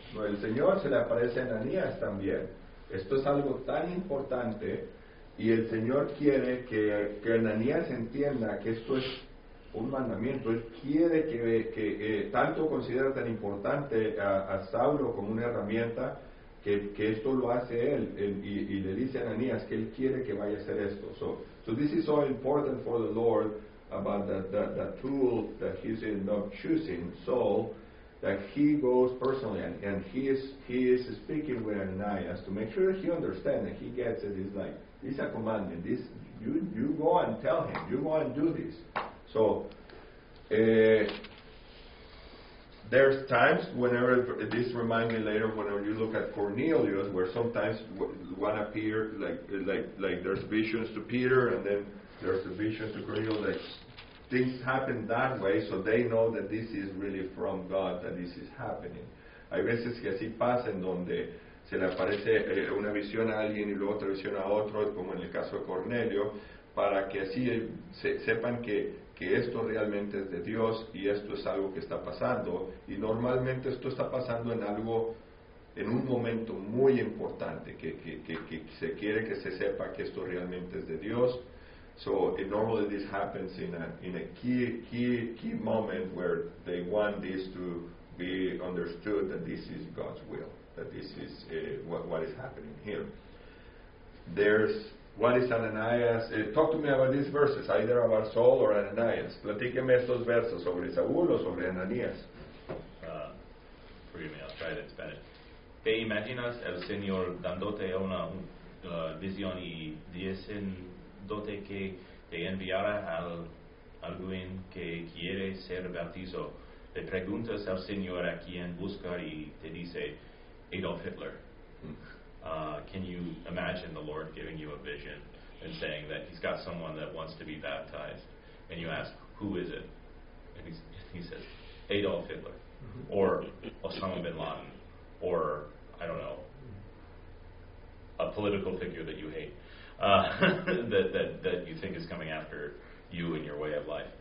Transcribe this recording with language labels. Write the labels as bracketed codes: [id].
[es] No, el Señor se le aparece a Ananias también. Esto es algo tan importante, y el Señor quiere que Ananias entienda que esto es un mandamiento. Él quiere que tanto considera tan importante a Saulo como una herramienta, que esto lo hace él y le dice a Ananías que él quiere que vaya a hacer esto. [en] So this is so important for the Lord about the tool that he's in of choosing Saul, that he goes personally and he is speaking with Ananias to make sure that he understands and he gets it. He's like, this is a commandment. This you go and tell him. You go and do this. So, there's times whenever this reminds me later whenever you look at Cornelius, where sometimes one appears like there's visions to Peter and then there's a vision to Cornelius. Like things happen that way, so they know that this is really from God, that this is happening. [es] Hay veces que así pasa, en donde se le aparece una visión a alguien y luego otra visión a otro, como en el caso de Cornelio, para que así sepan que esto realmente es de Dios y esto es algo que está pasando. Y normalmente esto está pasando en algo, en un momento muy importante, que se quiere que se sepa que esto realmente es de Dios. So normally this happens in a key moment where they want this to be understood that this is God's will, that this is what is happening here. [en] There's, what is Ananias? Talk to me about these verses, either about Saul or Ananias. [es] Platíqueme estos versos, sobre Saúl o sobre Ananias. [en] Forgive me, I'll try it in Spanish. [es] ¿Te imaginas el Señor dándote una visión y diciéndote que te enviara a alguien que quiere ser bautizado? Le preguntas al Señor a quién buscar y te dice Adolf Hitler. [en] Can you imagine the Lord giving you a vision and saying that he's got someone that wants to be baptized? And you ask, who is it? And he says, Adolf Hitler, or Osama bin Laden, or, I don't know, a political figure that you hate, that you think is coming after you and your way of life.